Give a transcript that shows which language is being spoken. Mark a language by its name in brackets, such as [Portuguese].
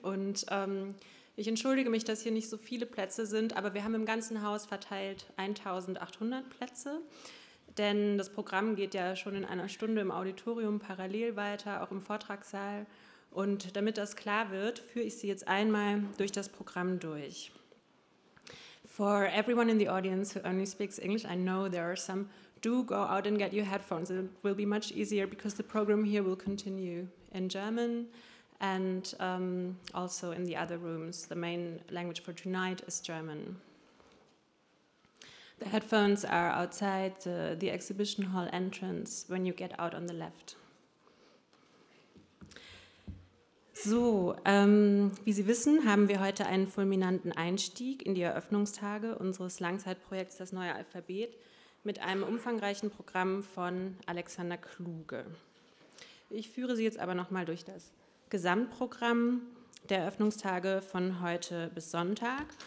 [German] Und ich entschuldige mich, dass hier nicht so viele Plätze sind, aber wir haben im ganzen Haus verteilt 1.800 Plätze. Denn das Programm geht ja schon in einer Stunde im Auditorium parallel weiter, auch im Vortragssaal. Und damit das klar wird, führe ich Sie jetzt einmal durch das Programm durch. [English] For everyone in the audience who only speaks English, I know there are some. Do go out and get your headphones. It will be much easier because the program here will continue in German and also in the other rooms. The main language for tonight is German. The headphones are outside the exhibition hall entrance when you get out on the left. [German] So, wie Sie wissen, haben wir heute einen fulminanten Einstieg in die Eröffnungstage unseres Langzeitprojekts Das neue Alphabet mit einem umfangreichen Programm von Alexander Kluge. Ich führe Sie jetzt aber nochmal durch das Gesamtprogramm der Eröffnungstage von heute bis Sonntag.